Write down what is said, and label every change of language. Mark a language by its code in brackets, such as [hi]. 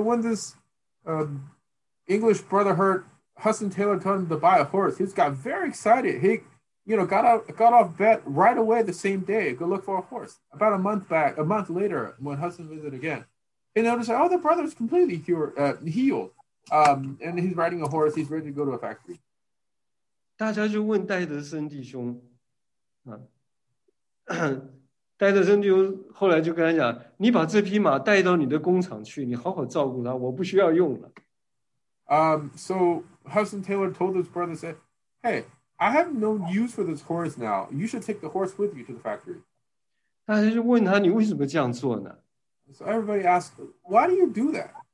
[en] when this English brother heard Hudson Taylor told him to buy a horse, he's got very excited. He, you know, got off bed right away the same day, go look for a horse. About a month later, when Hudson visited again, he noticed, oh, the brother's completely healed. And he's riding a horse, he's ready to go to a factory. [zh] 大家就问戴德森弟兄，戴德森弟兄后来就跟他讲，你把这匹马带到你的工厂去，你好好照顾它，我不需要用了。 [en] So Hudson Taylor told his brother, said, "Hey, I have no use for this horse now. You should take the horse with you to the factory." [zh] 大家就问他，你为什么这样做呢？ [en] So everybody asked, "Why do you do that?"